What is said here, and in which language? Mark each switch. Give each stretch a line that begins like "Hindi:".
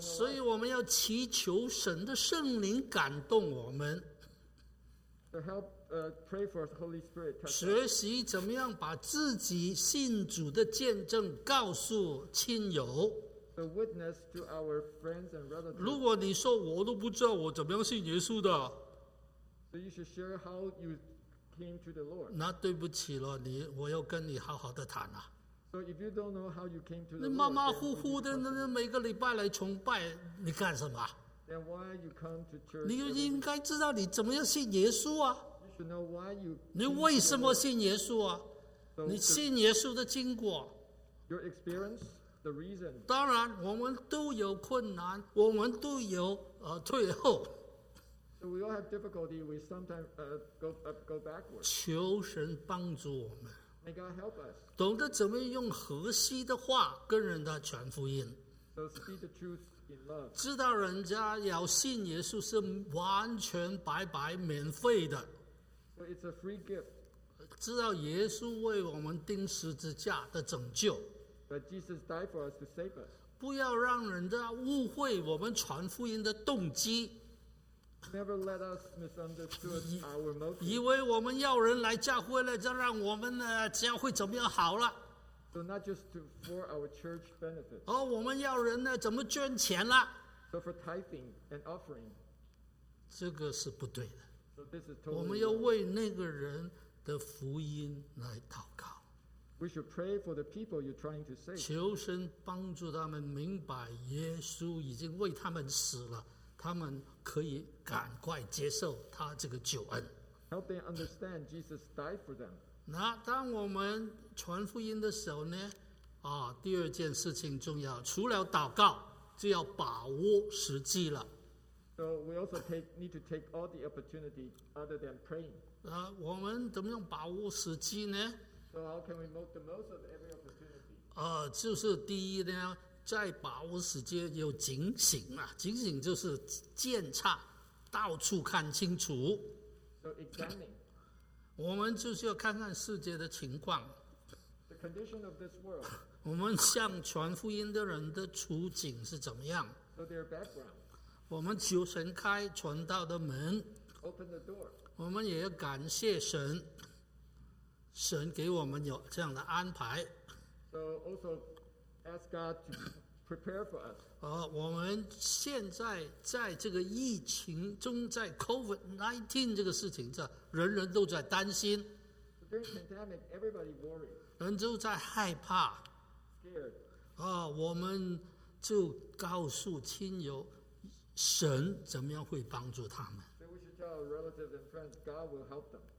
Chinese: 所以我们要祈求神的圣灵感动我们。
English: To help pray for the Holy Spirit.
Chinese: 学习怎么样把自己信主的见证告诉亲友。
English: The witness to our friends and relatives.
Chinese: 如果你说我都不知道我怎么样信耶稣的，
English: so you should share how you came to the Lord.
Chinese: 那对不起了，我要跟你好好的谈啊。
English: So if you don't know how you came to the
Chinese: Lord, 你马马虎虎的，那每个礼拜来崇拜，你干什么？
English: Then why you come to church?
Chinese: 你应该知道你怎么样信耶稣啊。
English: You should know why you.
Chinese: 你为什么信耶稣啊？So, 你信耶稣的经过。
English: Your experience. The reason.
Chinese: 当然我们都有困难，我们都有退后。
English: So we all have difficulty, we sometimes go backwards.
Chinese: 求神帮助我们。
English: May God help us.
Chinese: 懂得怎么用合适的话跟人家传福音。
English: So speak the truth in love.
Chinese: 知道人家要信耶稣是完全白白免费的。
English: So it's a free gift.
Chinese: 知道耶稣为我们钉十字架的拯救。
English: But Jesus died for us to save us.
Chinese: 不要让人家误会我们传福音的动机。
English: Never let us misunderstand our motive.
Chinese: 以为我们要人来教会了，就让我们的教会怎么样好了。
English: So not just for our church benefit.
Chinese: 哦，我们要人呢，怎么捐钱了
English: ？So for tithing and offering.
Chinese: 这个是不对的。
English: So this is totally.
Chinese: 我们要为那个人的福音来祷告。
English: We should pray for the people you're trying to save.
Chinese: 求神帮助他们明白耶稣已经为他们死了，他们可以赶快接受他这个救恩。
English: Help them understand Jesus died for them.
Chinese: 那当我们传福音的时候呢，第二件事情重要，除了祷告，就要把握时机了。
English: So we also need to take all the opportunity other than praying.
Chinese: 那我们怎么样把握时机呢？
English: So how can we make the most of every opportunity?
Chinese: 就是第一呢，在把握时间有警醒啊，警醒就是鉴察，到处看清楚。
English: So examining.
Chinese: 我们就是要看看世界的情况。
English: The condition of this world.
Chinese: 我们向传福音的人的处境是怎么样
English: ？So their background.
Chinese: 我们求神开传道的门。
English: Open the door.
Chinese: 我们也要感谢神。神给我们有这样的安排。
English: So also ask God to prepare for us.
Chinese: 我们现在在这个疫情中，在 COVID-19 这个事情上，人人都在担心。
English: During pandemic, everybody worried.
Chinese: 人都在害怕。
English: Scared.
Chinese: 我们就告诉亲友，神怎么样会帮助他们。
English: So we should tell our relatives and friends, God will help them.